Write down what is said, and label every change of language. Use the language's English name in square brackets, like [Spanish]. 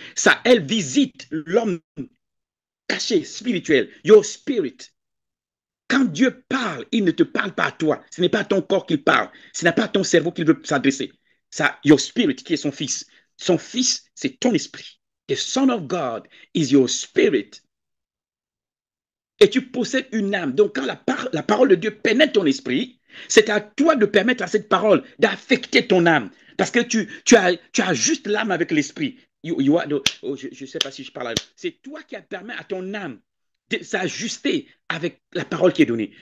[French] Ça, elle visite l'homme caché, spirituel. [English] Your spirit. [French] Quand Dieu parle, il ne te parle pas à toi. Ce n'est pas ton corps qu'il parle. Ce n'est pas ton cerveau qu'il veut s'adresser. Ça, [English] your spirit, [French] qui est son fils. Son fils, c'est ton esprit. [English] The son of God is your spirit. [French] Et tu possèdes une âme. Donc, quand la parole de Dieu pénètre ton esprit, c'est à toi de permettre à cette parole d'affecter ton âme. Parce que tu as juste l'âme avec l'esprit. Je ne sais pas si je parle. C'est toi qui permets à ton âme de s'ajuster avec la parole qui est donnée.